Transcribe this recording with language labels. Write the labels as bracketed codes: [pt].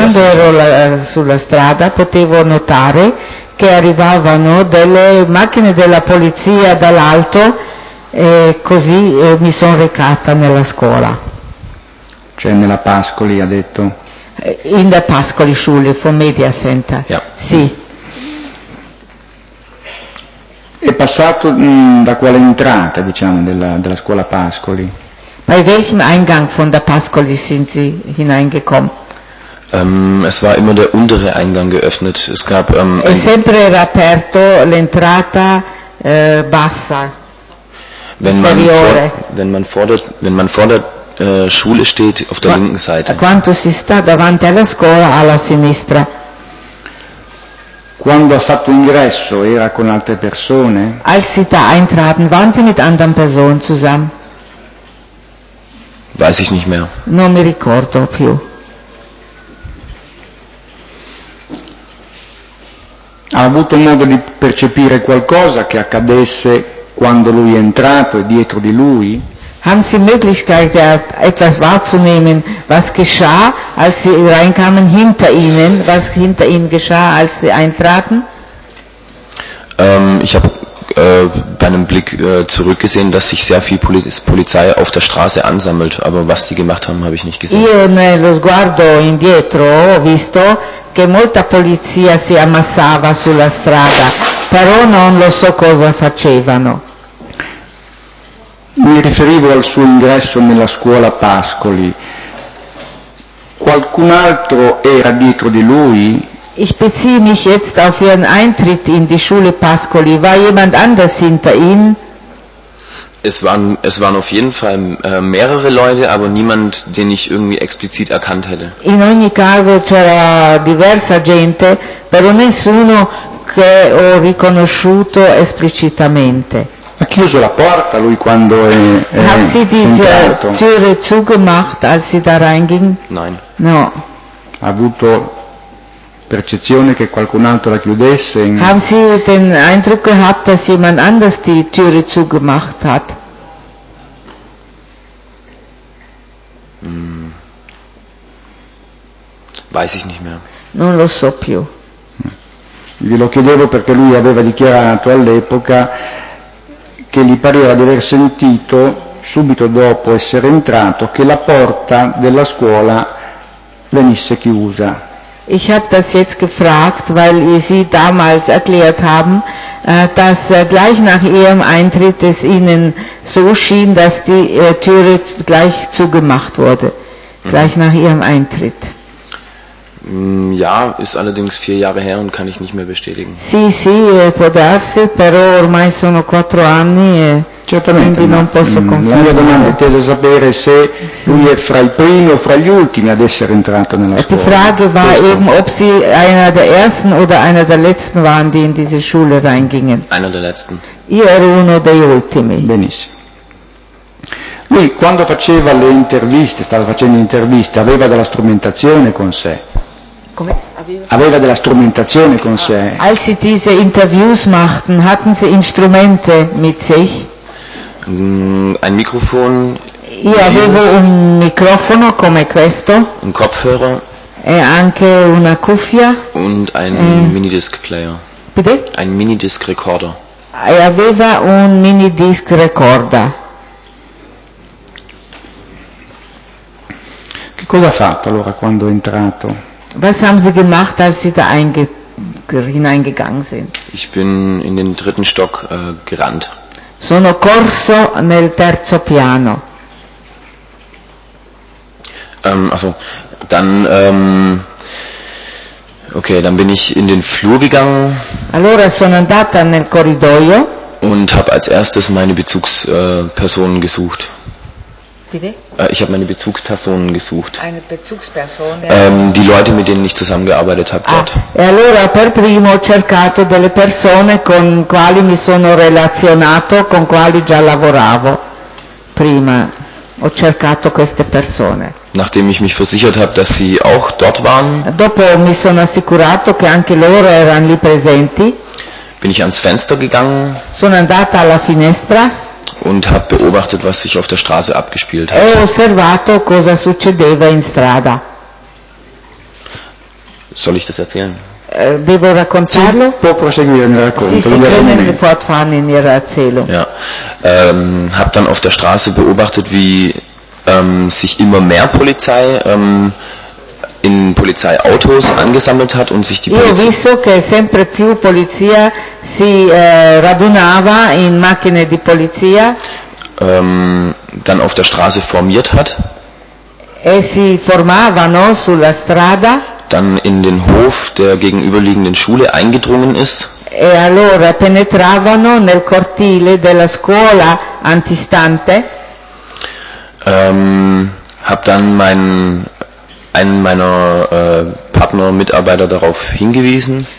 [it] Quando ero sulla strada potevo notare che arrivavano delle macchine della polizia dall'alto e così mi sono recata nella scuola. Cioè nella Pascoli, ha detto. [de] In der Pascoli Schule vom Media Center. Ja. [it] Sì. È passato da quale entrata, diciamo, della scuola Pascoli? [de] Bei welchem Eingang von der Passkolli sind Sie hineingekommen? Es war immer der untere Eingang geöffnet. Es gab [it] e sempre era aperto l'entrata bassa. [de] Wenn man vor der Schule steht, auf der linken Seite. [it] Quanto si sta davanti alla scuola alla sinistra? Quando ha fatto ingresso era con altre persone? [de] Als sie da eintraten, waren sie mit anderen Personen zusammen? Weiß ich nicht mehr. [it] Non mi ricordo più. Ha avuto modo di percepire qualcosa che accadesse quando lui è entrato e dietro di lui? [de] Haben Sie Möglichkeit, etwas wahrzunehmen, was geschah, als Sie reinkamen hinter Ihnen, was hinter Ihnen geschah, als Sie eintraten? Ich habe bei einem Blick zurückgesehen, dass sich sehr viel Polizei auf der Straße ansammelt, aber was die gemacht haben, habe ich nicht gesehen. [it] Io nello sguardo indietro ho visto che molta polizia si ammassava sulla strada, però non lo so cosa facevano. Mi riferivo al suo ingresso nella scuola Pascoli. Qualcun altro era dietro di lui? [de] Ich beziehe mich jetzt auf ihren Eintritt in die Schule Pascoli. War jemand anders hinter ihm? Es waren auf jeden Fall mehrere Leute, aber niemand, den ich irgendwie explizit erkannt hätte. In ogni caso c'era diversa gente, però nessuno che ho riconosciuto esplicitamente. [it] Ha chiuso la porta lui quando è entrato? [de] Hat sie die Türe zugemacht, als sie da reinging? Nein. [it] No. Ha avuto percezione che qualcun altro la chiudesse? [de] Haben Sie den Eindruck gehabt, dass jemand anders die Türe zugemacht hat? Weiß ich nicht mehr. [it] Non lo so più. Glielo chiedevo perché lui aveva dichiarato all'epoca che gli pareva di aver sentito, subito dopo essere entrato, che la porta della scuola venisse chiusa. [de] Ich habe das jetzt gefragt, weil Sie damals erklärt haben, dass gleich nach Ihrem Eintritt es Ihnen so schien, dass die Türe gleich zugemacht wurde, gleich nach Ihrem Eintritt. Ja, ist allerdings 4 Jahre her und kann ich nicht mehr bestätigen. [it] Sì, sì, può darsi, però ormai sono 4 anni e certamente, quindi non posso confermare. La mia domanda è tesa a sapere se lui è fra i primi o fra gli ultimi ad essere entrato nella scuola. [de] Die Frage war eben, ob sie einer der ersten oder einer der letzten waren, die in diese Schule reingingen. Einer der letzten. [it] Io ero uno dei ultimi. Benissimo. Lui, quando faceva le interviste, stava facendo interviste, aveva della strumentazione con sé? Come? Aveva della strumentazione con sé? [de] Als sie diese Interviews machten, hatten sie Instrumente mit sich? Ein Mikrofon? [it] Io avevo un microfono come questo. Un Kopfhörer? E anche una cuffia. [de] Und ein Minidisc Player. Bitte? Ein Minidisc Recorder. [it] E aveva un Minidisc Recorder. Cosa ha fatto allora quando è entrato? [de] Was haben Sie gemacht, als Sie da hineingegangen sind? Ich bin in den dritten Stock gerannt. [it] Sono corso nel terzo piano. [de] Dann bin ich in den Flur gegangen. [it] Allora sono andata nel corridoio. [de] Und habe als erstes meine Bezugspersonen gesucht. Bitte? Ich habe meine Bezugspersonen gesucht. Eine Bezugsperson? Ja. Die Leute, mit denen ich zusammengearbeitet habe. [it] Ah, e allora per primo ho cercato delle persone con quali mi sono relazionato, con quali già lavoravo. Prima ho cercato queste persone. [de] Nachdem ich mich versichert habe, dass sie auch dort waren. [it] Dopo mi sono assicurato che anche loro erano lì presenti. [de] Bin ich ans Fenster gegangen. [it] Sono andata alla finestra. [de] Und habe beobachtet, was sich auf der Straße abgespielt hat. [it] Ho osservato cosa succedeva in strada. [de] Soll ich das erzählen? [it] Devo raccontarlo? Si, può proseguire nel racconto. Si, si, [de] in ihrer Erzählung. Ja, habe dann auf der Straße beobachtet, wie sich immer mehr Polizei in Polizeiautos angesammelt hat und sich die Polizei... [it] Io ho visto che sempre più polizia si radunava in macchine di polizia. [de] dann auf der Straße formiert hat. [it] E si formavano sulla strada. [de] Dann in den Hof der gegenüberliegenden Schule eingedrungen ist. [it] E allora penetravano nel cortile della scuola antistante. [de] Hab dann einen meiner Partnermitarbeiter darauf hingewiesen.